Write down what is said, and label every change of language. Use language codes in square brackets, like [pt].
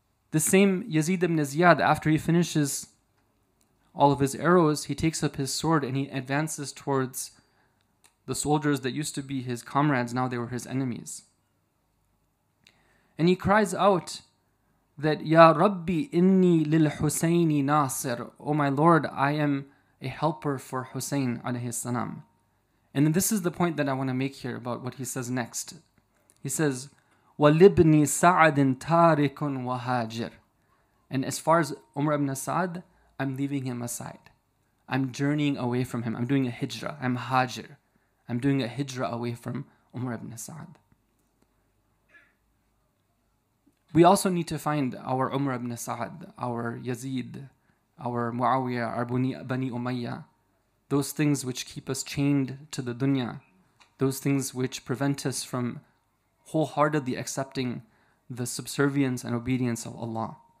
[en] The same Yazid ibn Ziyad, after he finishes all of his arrows, he takes up his sword and he advances towards the soldiers that used to be his comrades, now they were his enemies. And he cries out that, [ar] Ya Rabbi, inni lil Husayni Nasir. [en] Oh my Lord, I am a helper for Hussein alayhi salam. And then this is the point that I want to make here about what he says next. He says, [ar] وَلِبْنِي سَعَدٍ تَارِكٌ وَهَاجِرٌ. [en] And as far as Umar ibn Sa'd, I'm leaving him aside. I'm journeying away from him. I'm doing a hijrah. I'm hajir. I'm doing a hijrah away from Umar ibn Sa'd. We also need to find our Umar ibn Sa'd, our Yazid, our Muawiyah, our Bani Umayyah, those things which keep us chained to the dunya, those things which prevent us from wholeheartedly accepting the subservience and obedience of Allah.